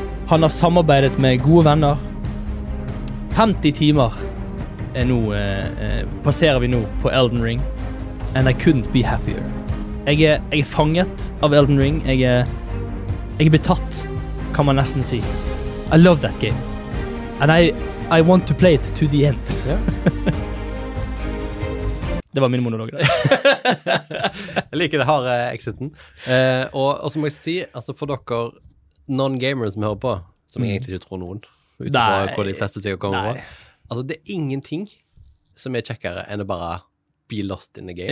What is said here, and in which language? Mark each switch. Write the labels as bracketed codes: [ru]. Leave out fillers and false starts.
[no] Han har samarbeidet med gode venner. 50 timer er nå, passerer vi nå på Elden Ring. [en] And I couldn't be happier. [no] Jeg er fanget av Elden Ring. Jeg er betatt, kan man nesten si. [en] I love that game. And I want to play it to the end. Yeah. [no] Det var min monolog. Jeg liker det her exiten. Og så må jeg si, altså for dere... non-gamers som hører på, som jeg egentlig ikke tror noen, utenfor hvor de fleste sikkert kommer på. Altså, det er ingenting som er kjekkere enn å bare [en] be lost in the game.